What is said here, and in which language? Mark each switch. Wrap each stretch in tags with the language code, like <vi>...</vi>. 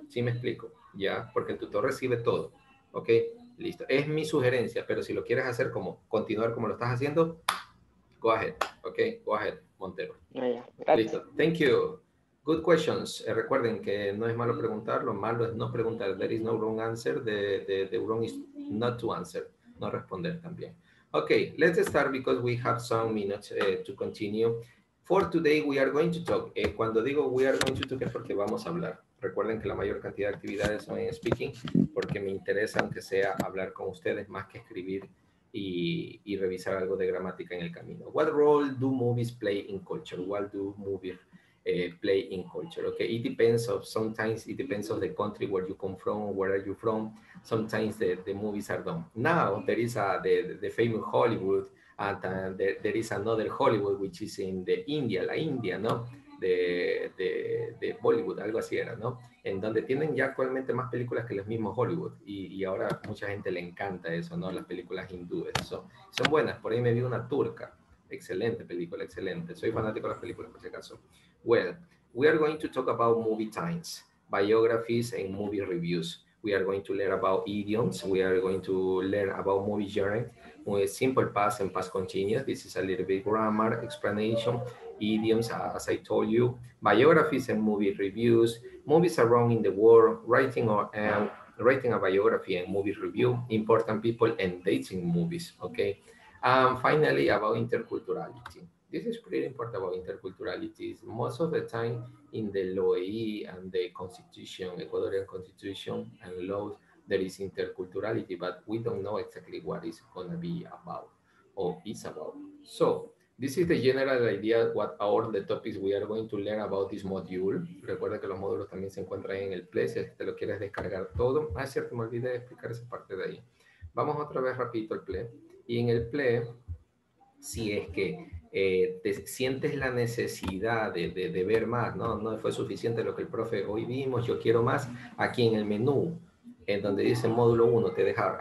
<es>¿Sí me explico? ¿Ya? Porque el tutor recibe todo. ¿Ok? Listo. Es mi sugerencia, pero si lo quieres hacer como continuar como lo estás haciendo, go ahead.</es> <en>¿Ok? Go ahead, Montero.</en> <es>Ya, gracias.</es> <en>Listo. Thank you. Good questions.</en> <es>Recuerden que no es malo preguntar, lo malo es no preguntar.</es> <en>There is no wrong answer. The wrong is not to answer.</en> <es>No responder también.</es> <en>Ok, let's start because we have some minutes to continue. For today we are going to talk.</en> <es>Cuando digo</es> <en>we are going to talk</en> <es>es porque vamos a hablar. Recuerden que la mayor cantidad de actividades son en speaking porque me interesa, aunque sea hablar con ustedes, más que escribir y revisar algo de gramática en el camino.</es> <en>What role do movies play in culture? What do movies play in culture? Okay, it depends of sometimes it depends of the country where you come from, where are you from. Sometimes the movies are done. Now there is the famous Hollywood. And there is another Hollywood, which is in the India,</en> <es>la India, ¿no? De Bollywood, algo así era, ¿no? En donde tienen ya actualmente más películas que los mismos Hollywood. Y ahora mucha gente le encanta eso, ¿no? Las películas hindúes. Son buenas. Por ahí me vi una turca. Excelente película, excelente. Soy fanático de las películas, por si acaso.</es> <en>Well, we are going to talk about movie times, biographies and movie reviews. We are going to learn about idioms. We are going to learn about movie genre. With simple past and past continuous. This is a little bit grammar explanation. Idioms, as I told you. Biographies and movie reviews. Movies around in the world. Writing a biography and movie review. Important people and dates in movies. Okay. And finally, about interculturality. This is pretty important about interculturality. Most of the time in the LOEI and the constitution, Ecuadorian constitution and laws, there is interculturality, but we don't know exactly what it's going to be about or is about. So this is the general idea, what are the topics we are going to learn about this module.</en> <es>Recuerda que los módulos también se encuentran en el PLE, si te lo quieres descargar todo. Ah, cierto, me olvidé de explicar esa parte de ahí. Vamos otra vez rapidito al PLE. Y en el PLE, si es que te sientes la necesidad de ver más, ¿no? No fue suficiente lo que el profe hoy vimos, yo quiero más. Aquí en el menú, en donde dice módulo 1, te deja.</es>